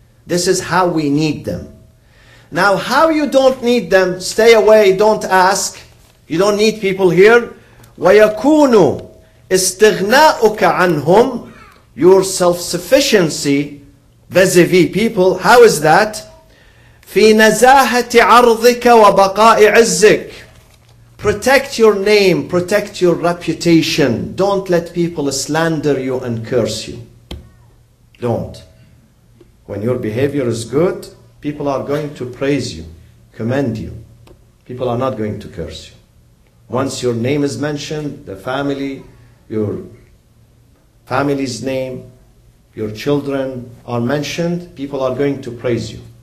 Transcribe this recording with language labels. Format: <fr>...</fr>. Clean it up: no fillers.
<en>This is how we need them. Now, how you don't need them, stay away, don't ask. You don't need people here.</en> <ar>وَيَكُونُ إِسْتِغْنَاءُكَ عَنْهُمْ.</ar> <en>Your self-sufficiency vis-a-vis people. How is that?</en> <ar>فِي نَزَاهَةِ عَرْضِكَ وَبَقَاءِ عِزِّكَ.</ar> <en>Protect your name, protect your reputation. Don't let people slander you and curse you. Don't. When your behavior is good, people are going to praise you, commend you. People are not going to curse you. Once your name is mentioned, the family, your family's name, your children are mentioned, people are going to praise you.</en>